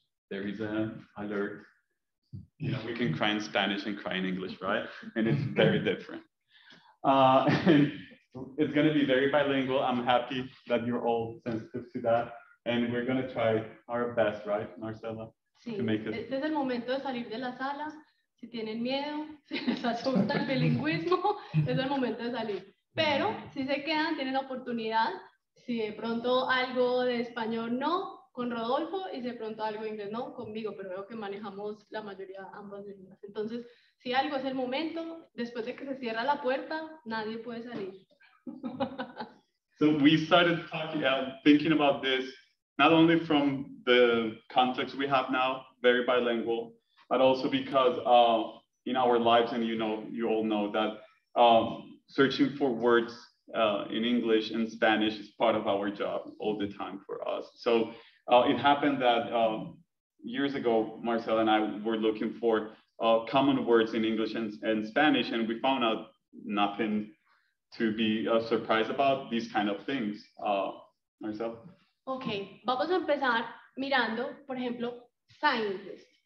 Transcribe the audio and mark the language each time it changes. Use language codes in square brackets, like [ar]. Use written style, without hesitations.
[en] There is an alert. You know, we can cry in Spanish and cry in English, right? And it's very different. And it's gonna be very bilingual. I'm happy that you're all sensitive to that. And we're gonna try our best, right, Marcela? Sí, to make it. [es] Este es el momento de salir de la sala. Si tienen miedo, si les asusta el bilingüismo, es el momento de salir. Pero si se quedan, tienen la oportunidad. Si de pronto algo de español no, con Rodolfo, y si de pronto algo de inglés no, conmigo. Pero veo que manejamos la mayoría ambas lenguas. Entonces, si algo es el momento, después de que se cierra la puerta, nadie puede salir. [en] So we started talking about, thinking about this, not only from the context we have now, very bilingual, but also because in our lives, and you know, you all know that searching for words in English and Spanish is part of our job all the time for us. So it happened that years ago, Marcel and I were looking for common words in English and Spanish, and we found out nothing to be surprised about these kind of things. Marcel? [es] Okay, vamos a empezar mirando, por ejemplo, scientist.